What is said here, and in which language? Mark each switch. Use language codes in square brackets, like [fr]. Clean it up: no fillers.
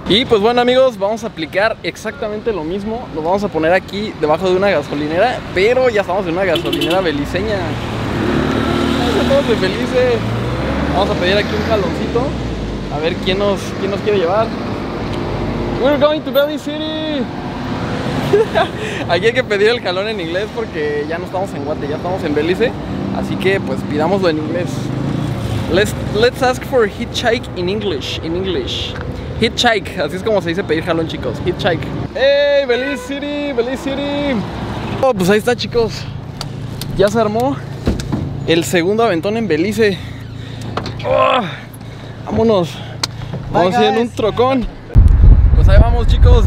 [es] Y pues bueno amigos, vamos a aplicar exactamente lo mismo. Lo vamos a poner aquí debajo de una gasolinera, pero ya estamos en una gasolinera beliceña. Estamos de felices. Vamos a pedir aquí un jaloncito. A ver quién nos quiere llevar. [en] We're going to Belly City. [es] Aquí hay que pedir el jalón en inglés porque ya no estamos en Guate, ya estamos en Belice. Así que pues pidámoslo en inglés. [en] Let's ask for a hitchhike in English. In English. [es] Hitchhike, así es como se dice pedir jalón, chicos. Hitchhike. ¡Hey! ¡Belice City! ¡Belice City! Oh, pues ahí está, chicos. Ya se armó el segundo aventón en Belice. Oh, vámonos. Vamos a ir en un trocón. Pues ahí vamos, chicos.